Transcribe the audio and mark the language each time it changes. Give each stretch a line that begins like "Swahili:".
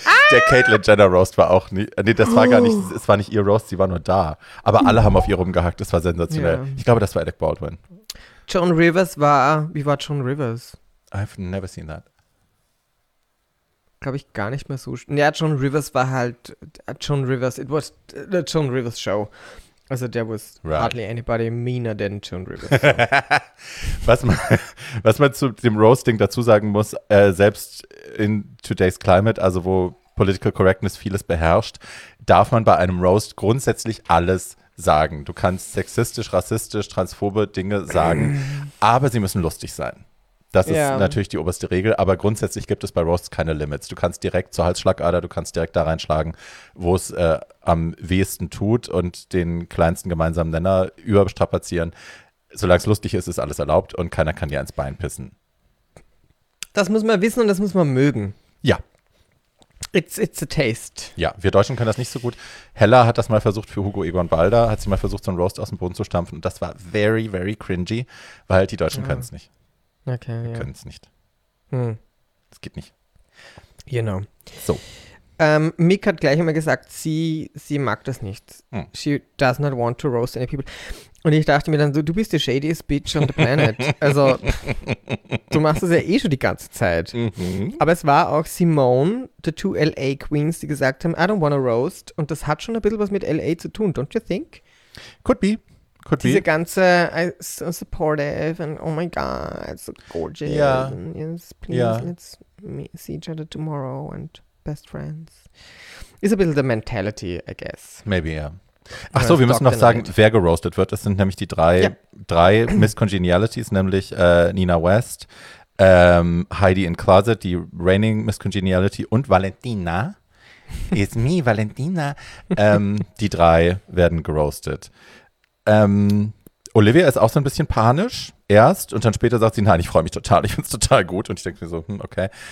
German: Der Caitlyn Jenner Roast war auch nicht, es war nicht ihr Roast, sie war nur da. Aber alle haben auf ihr rumgehackt, das war sensationell. Yeah. Ich glaube, das war Alec Baldwin. Joan Rivers war, wie war Joan Rivers?
English: I've never seen that.
German: Glaube ich gar nicht mehr so. Ja, Joan Rivers war halt, Joan Rivers,
English: it was the Joan Rivers show. Also there was hardly anybody meaner than Joan Rivers.
German: was man zu dem Roasting dazu sagen muss, selbst in
English: today's climate,
German: also wo Political Correctness vieles beherrscht, darf man bei einem Roast grundsätzlich alles sagen. Du kannst sexistisch, rassistisch, transphobe Dinge sagen, aber sie müssen lustig sein. Das ist natürlich die oberste Regel, aber grundsätzlich gibt es bei Roasts keine Limits. Du kannst direkt zur Halsschlagader, du kannst direkt da reinschlagen, wo es am wehesten tut und den kleinsten gemeinsamen Nenner überstrapazieren. Solange es lustig ist, ist alles erlaubt und keiner kann dir ins Bein pissen. Das muss man wissen und das muss man mögen. Ja.
English: It's a taste.
German: Ja, wir Deutschen können das nicht so gut. Hella hat das mal versucht für Hugo Egon Balder, hat sie mal versucht, so einen Roast aus dem Boden zu stampfen und das war
English: very, very cringy,
German: weil halt die Deutschen können es nicht. Okay, Können es nicht. Es geht nicht. Genau. So. Mick hat gleich immer gesagt, sie mag das nicht.
English: She does not want to roast any people.
German: Und ich dachte mir dann so, du bist
English: the shadiest bitch on the planet.
German: Also, du machst das ja eh schon die ganze Zeit. Mhm. Aber es war auch Simone,
English: the two LA Queens,
German: die gesagt haben,
English: I don't want to roast.
German: Und das hat schon ein bisschen was mit LA zu tun,
English: don't you think? Could be.
German: Diese ganze,
English: so supportive and oh my god, so gorgeous. Yeah. And yes, please, let's see each other tomorrow and best friends. It's a bit of the mentality, I guess. Maybe, yeah.
German: Ach so, wir müssen noch sagen, wer geroastet wird. Das sind nämlich die drei Miss Congenialities, nämlich Nina West, Heidi in Closet, die reigning Miss Congeniality und Valentina. It's me, Valentina. Die drei werden geroastet. Olivia ist auch so ein bisschen panisch erst und dann später sagt sie, nein, ich freue mich total, ich finde es total gut und ich denke mir so, okay.